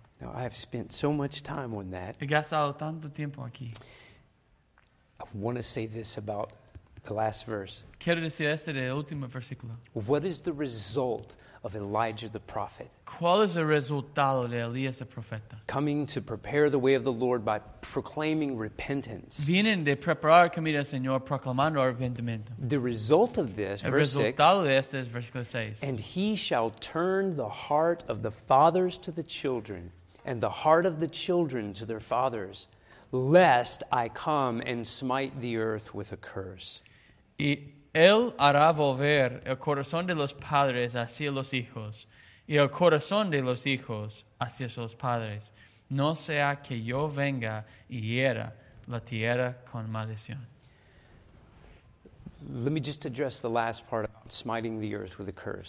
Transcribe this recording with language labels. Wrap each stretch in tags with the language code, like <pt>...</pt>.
<en>Now I've spent so much time on that.</en> <es>He gastado tanto tiempo aquí.</es> <en>I want to say this about The last verse.</en> <es>Quiero decir este del último versículo.</es> <en>What is the result of Elijah the prophet?</en> <es>¿Cuál es el resultado de Elías el profeta?</es> <en>Coming to prepare the way of the Lord by proclaiming repentance.</en> <es>Vienen de preparar el camino del Señor proclamando arrepentimiento.</es> <en>The result of this,</en> <es>el</es> <en>verse 6.</en> <es>El resultado de este es versículo 6.</es> <en>And he shall turn the heart of the fathers to the children, and the heart of the children to their fathers, lest I come and smite the earth with a curse.</en> <es>Y él hará volver el corazón de los padres hacia los hijos, y el corazón de los hijos hacia sus padres. No sea que yo venga y hiera la tierra con maldición.</es> <en>Let me just address the last part, smiting the earth with a curse.</en>